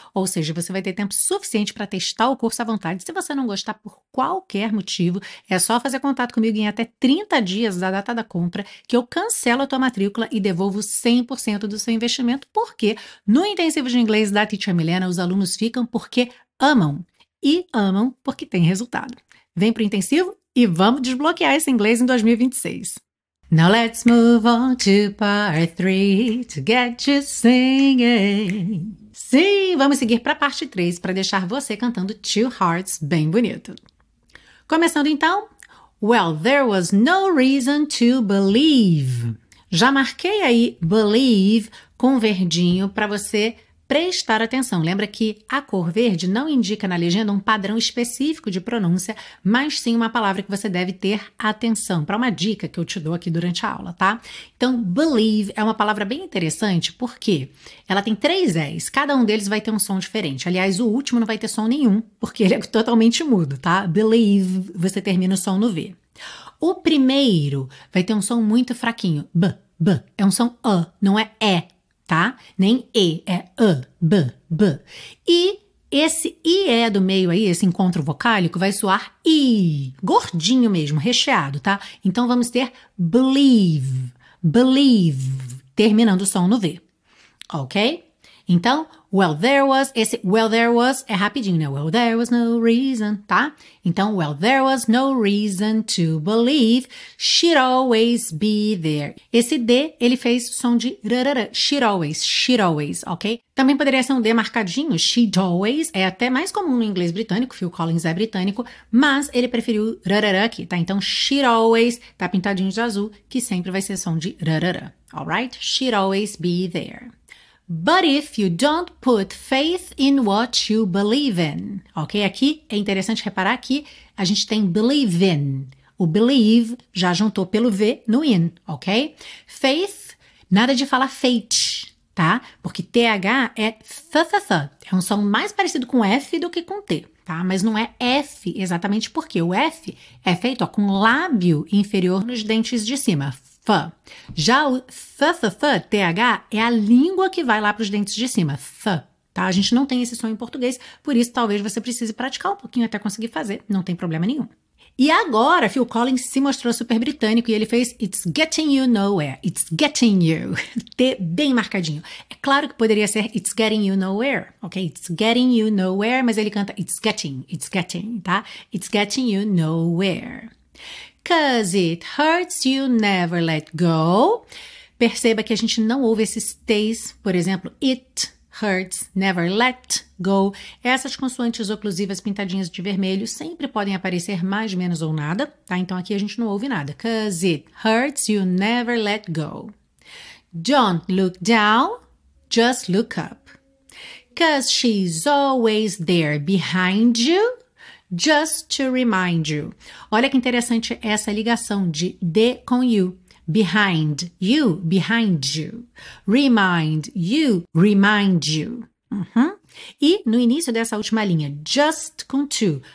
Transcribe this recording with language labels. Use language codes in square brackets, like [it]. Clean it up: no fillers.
[pt] Ou seja, você vai ter tempo suficiente para testar o curso à vontade. Se você não gostar por qualquer motivo, é só fazer contato comigo em até 30 dias da data da compra, que eu cancelo a tua matrícula e devolvo 100% do seu investimento. Porque no intensivo de inglês da Teacher Milena, os alunos ficam porque amam. E amam porque tem resultado. Vem para o intensivo e vamos desbloquear esse inglês em 2026. [en] Now let's move on to part 3 to get you singing. [pt] Sim, vamos seguir para a parte 3 para deixar você cantando Two Hearts bem bonito. Começando então. [en] Well, there was no reason to believe. [pt] Já marquei aí believe com verdinho para você prestar atenção. Lembra que a cor verde não indica na legenda um padrão específico de pronúncia, mas sim uma palavra que você deve ter atenção, para uma dica que eu te dou aqui durante a aula, tá? Então, believe é uma palavra bem interessante porque ela tem três S, cada um deles vai ter um som diferente. Aliás, o último não vai ter som nenhum, porque ele é totalmente mudo, tá? Believe, você termina o som no V. O primeiro vai ter um som muito fraquinho, b, b, é um som a, não é e. Tá? Nem e, é a, b, b. E esse i é do meio aí, esse encontro vocálico, vai soar i, gordinho mesmo, recheado, tá? Então vamos ter believe, believe, terminando o som no V, ok? Então, [en] well, there was, [pt] esse [en] well, there was [pt] é rapidinho, né? [en] Well, there was no reason, tá? Então, well, there was no reason to believe she'd always be there. [pt] Esse D, ele fez som de rarara, [en] she'd always, [pt] ok? Também poderia ser um D marcadinho, [en] she'd always, [pt] é até mais comum no inglês britânico, Phil Collins é britânico, mas ele preferiu rarara aqui, tá? Então, [en] she'd always, [pt] tá pintadinho de azul, que sempre vai ser som de rarara, alright? [en] She'd always be there. But if you don't put faith in what you believe in. Ok? [pt] Aqui é interessante reparar que a gente tem believe in. O believe já juntou pelo V no in. Ok? Faith, nada de falar fate, tá? Porque TH é th-th-th. É um som mais parecido com F do que com T, tá? Mas não é F exatamente porque o F é feito, ó, com lábio inferior nos dentes de cima. F. Já o th, th, th, th, é a língua que vai lá para os dentes de cima, th, tá? A gente não tem esse som em português, por isso talvez você precise praticar um pouquinho até conseguir fazer, não tem problema nenhum. E agora, Phil Collins se mostrou super britânico e ele fez [en] It's getting you nowhere, it's getting you, [pt] T bem marcadinho. É claro que poderia ser [en] It's getting you nowhere, [pt] ok? [en] It's getting you nowhere, [pt] mas ele canta [en] it's getting, tá? It's getting you nowhere. 'Cause it hurts you never let go. [pt] Perceba que a gente não ouve esses T's, por exemplo, [en] it hurts never let go. [pt] Essas consoantes oclusivas pintadinhas de vermelho sempre podem aparecer mais, menos ou nada, tá? Então aqui a gente não ouve nada. [en] 'Cause it hurts you never let go. Don't look down, just look up. 'Cause she's always there behind you. Just to remind you. [pt] Olha que interessante essa ligação de D com you. [en] Behind you, behind you. Remind you, remind you. Uhum. [pt] E no início dessa última linha, just com to.